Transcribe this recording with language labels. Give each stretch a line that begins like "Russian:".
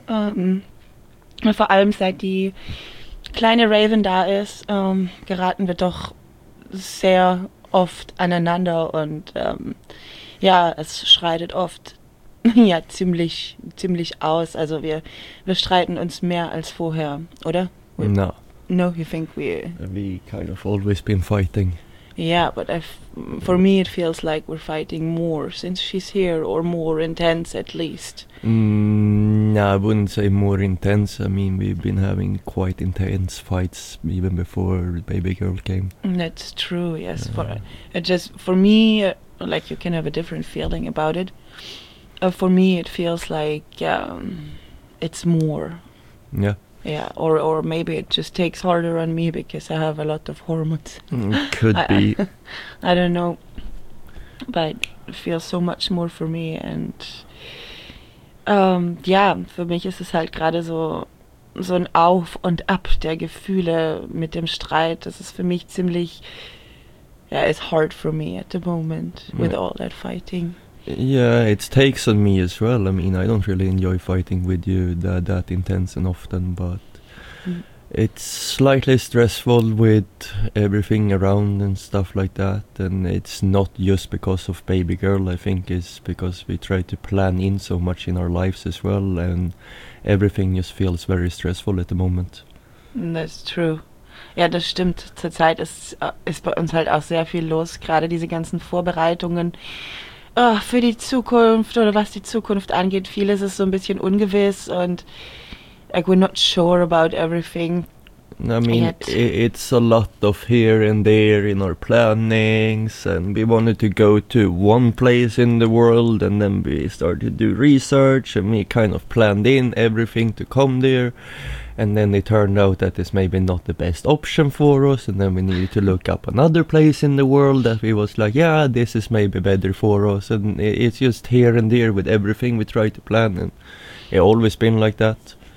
German: Vor allem seit die kleine Raven da ist, geraten wir doch sehr oft aneinander und es schreitet oft ja ziemlich aus. Also wir streiten uns mehr als vorher, oder?
English: No, you think we? We kind of always been fighting. Yeah, but for me it feels like we're fighting more since she's here, or more intense at least. No, I wouldn't say more intense. I mean, we've been having quite intense fights even before baby girl came. That's true, yes. Yeah. For me, like, you can have a different feeling about it. For me, it feels like it's more. Yeah. Yeah, or maybe it just takes harder on me because I have a lot of hormones. Could be. I don't know. But it feels so much more for me. And
German: für mich ist es halt gerade so ein Auf und Ab der Gefühle mit dem Streit. Das ist für mich ziemlich,
English: it's hard for me at the moment with all that fighting. Yeah, it takes on me as well. I mean, I don't really enjoy fighting with you that intense and often, but it's slightly stressful with everything around and stuff like that. And it's not just because of baby girl, I think it's because we try to plan in so much in our lives as well, and everything just feels very stressful at the moment. That's true.
German: Ja, das stimmt. Zurzeit ist bei uns halt auch sehr viel los, gerade diese ganzen Vorbereitungen. Oh, für die Zukunft oder was die Zukunft angeht, vieles ist so ein bisschen ungewiss und
English: like, we're not sure about everything. I mean, it's a lot of here and there in our plannings, and we wanted to go to one place in the world, and then we started to do research, and we kind of planned in everything to come there, and then it turned out that it's maybe not the best option for us, and then we needed to look up another place in the world that we was like, yeah, this is maybe better for us, and it's just here and there with everything we try to plan, and it always been like that.